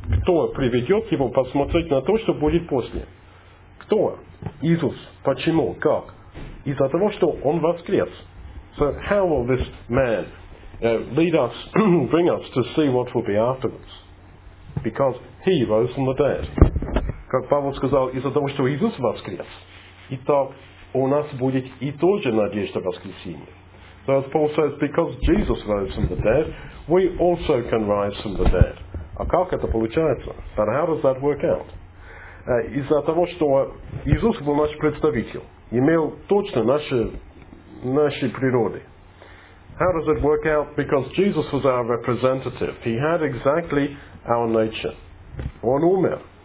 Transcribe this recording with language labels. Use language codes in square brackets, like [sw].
[ru] Кто приведет его посмотреть на то, что будет после? Кто? Иисус. Почему? Как? Из-за того, что он воскрес. [en] So how will this man lead us, bring us to see what will be afterwards? Because he rose from the dead. [ru] Как Павел сказал, из-за того, что Иисус воскрес. Итак, у нас будет и тоже надежда воскресения. [en] So as Paul says, because Jesus rose from the dead, we also can rise from the dead. [ru] А как это получается? [en] But how does that work out? [ru] Из-за того, что Иисус был наш представитель, имел точно наши природы. [en] How does it work out? Because Jesus was our representative. He had exactly our nature. [ru] Он умер.